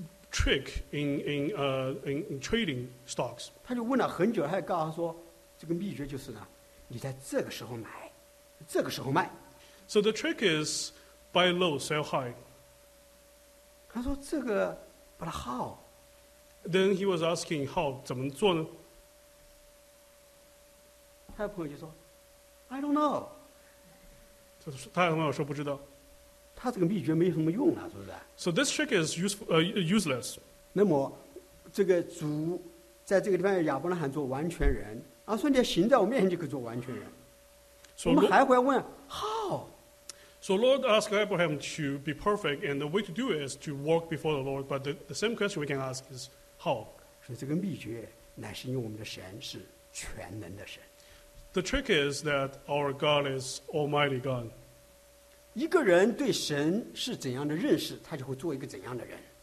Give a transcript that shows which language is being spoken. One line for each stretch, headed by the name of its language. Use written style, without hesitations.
English: Trick in trading stocks.
Chinese: 他就问了很久，他还告诉他说，这个秘诀就是呢，你在这个时候买，这个时候卖。
English: So the trick is buy low, sell high.
Chinese: 他说这个把它
English: how? Then he was asking how
Chinese: 怎么做呢？他的朋友就说 ，
English: I don't know.
Chinese: 就是他的朋友说不知道。他这个秘诀没什么用了，是不是
English: ？So this trick is useless.
Chinese: 那么，这个主在这个地方亚伯拉罕做完全人，啊，说你行在我面前就可以做完全人。
English: So、
Chinese: 我们还会问
English: how? So Lord asked Abraham to be perfect, and the way to do it is to walk before the Lord. But the same question we can ask is how?
Chinese: 所以这个秘诀乃是因为我们的神是全能的神。
English: The trick is that our God is Almighty God.
Chinese: 一个人对神是怎样的认识，他就会做一个怎样的人。